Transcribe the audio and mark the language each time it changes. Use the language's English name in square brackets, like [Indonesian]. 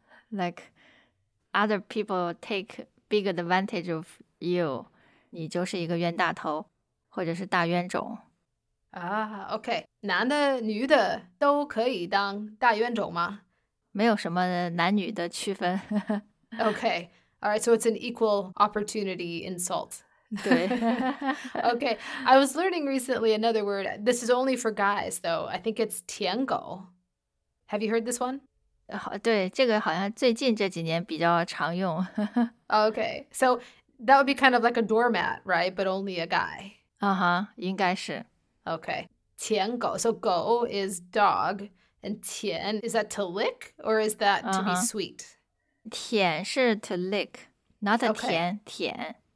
[English] like, other people take big advantage of you. [Chinese] 你就是一个冤大头，或者是大冤种。 [English] Ah, okay. [Chinese] 男的、女的都可以当大冤种吗？没有什么男女的区分。 [English] Okay. All right. So it's an equal opportunity insult. [Chinese] 对。 [English] Okay. I was learning recently another word. This is only for guys, though. I think it's 舔狗.Have you heard this one? [Chinese] 对,这个好像最近这几年比较常用。 [English] Okay. So that would be kind of like a doormat, right? But only a guy. [Chinese] Uh-huh. 应该是。 [English] Okay. 舔狗.So 狗 is dog. And 舔, is that to lick or is that to be sweet? [Chinese] 舔是 [English] to lick, not a [Chinese] 舔, 舔, 舔.